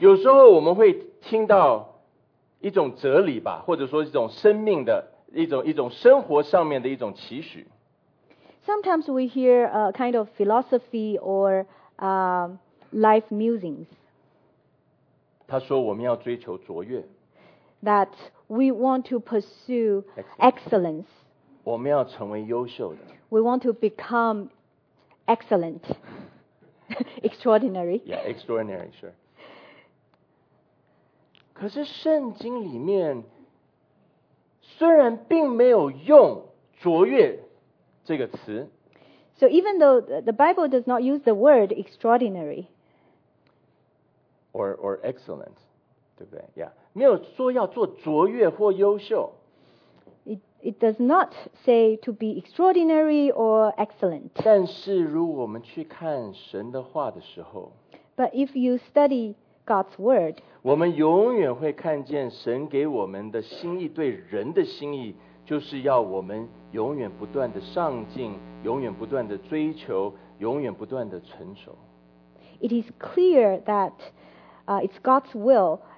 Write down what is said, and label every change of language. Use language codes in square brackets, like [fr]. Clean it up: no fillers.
[zh] 有时候我们会听到一种哲理吧，或者说一种生命的一种生活上面的一种期许。 [en] Sometimes we hear a kind of philosophy or life musings. [zh] 他说我们要追求卓越。 [en] That we want to pursue excellence. [zh] 我们要成为优秀的。 [en] We want to become excellent. extraordinary. Yeah, extraordinary, sure. [zh] 可是圣经里面虽然并没有用卓越这个词。 [en] So even though the Bible does not use the word extraordinary. Or excellent, [zh] 对不对？ [en] Yeah. [zh] 没有说要做卓越或优秀。 [en] It does not say to be extraordinary or excellent. [zh] 但是如果我们去看神的话的时候， [en] But if you study God's word, [zh] 我们永远会看见神给我们的心意，对人的心意，就是要我们永远不断的上进，永远不断的追求，永远不断的成熟。 [en] It is clear that it's God's will.